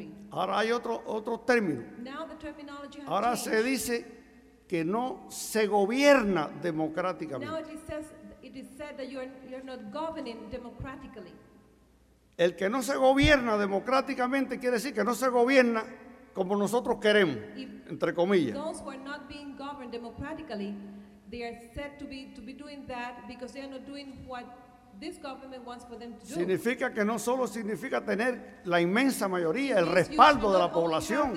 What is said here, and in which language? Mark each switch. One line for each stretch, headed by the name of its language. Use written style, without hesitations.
Spanish: Ahora hay otro término. Ahora se dice que no se gobierna democráticamente.
English: It is said that you're not governing democratically.
Spanish: El que no se gobierna democráticamente quiere decir que no se gobierna como nosotros queremos, entre comillas.
English: Those who are not being governed democratically, they are said to be doing that because they are not doing what this government wants for them to do.
Spanish: Significa que no solo significa tener la inmensa mayoría, el respaldo de la población.